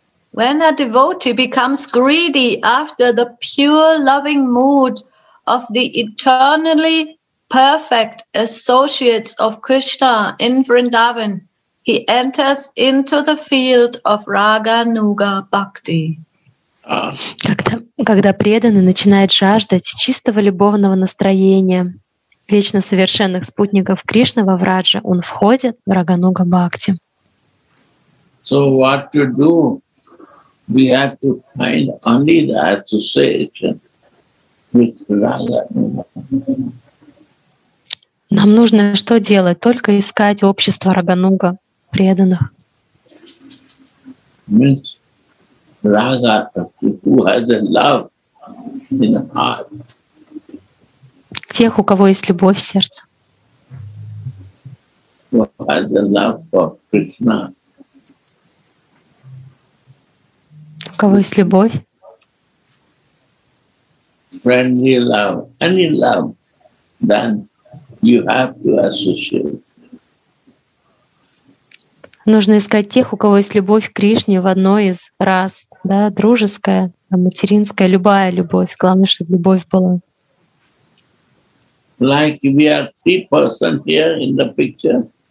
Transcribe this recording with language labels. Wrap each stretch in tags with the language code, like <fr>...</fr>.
<en>When a devotee becomes greedy after the pure loving mood of the eternally perfect associates of Krishna in Vrindavan, he enters into the field of Raga Nuga Bhakti.</en> <ru>Когда преданный начинает жаждать чистого любовного настроения вечно совершенных спутников Кришны во Враджа, он входит в Рагануга Бхакти.</ru> <en>So what to do? We have to find only the association with Radha.</en> <ru>Нам нужно что делать? Только искать общество Рагануга преданных.</ru> <en>Means Radha, who has a love in the heart.</en> <ru>Тех, у кого есть любовь в сердце.</ru> <en>Who has a love for Krishna.</en> <ru>У кого есть любовь?</ru> <en>Friendly love, any love, then you have to associate.</en> <ru>Нужно искать тех, у кого есть любовь к Кришне в одной из раз, да, дружеская, материнская, любая любовь. Главное, чтобы любовь была.</ru> <en>Like we are three persons here in the picture.</en>